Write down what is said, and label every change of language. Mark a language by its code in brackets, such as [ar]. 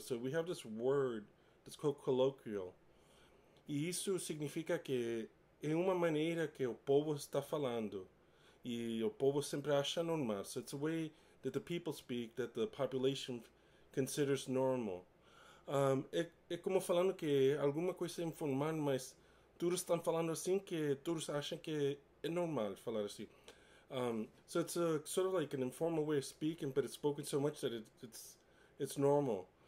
[en] So we have this word that's called colloquial. [pt] E isso significa que é uma maneira que o povo está falando. E o povo sempre acha normal. [en] So it's a way that the people speak, that the population considers normal. [pt] É como falando que alguma coisa é informal, mas todos estão falando assim que todos acham que é normal falar assim. [en] So it's a sort of like an informal way of speaking, but it's spoken so much that it's normal.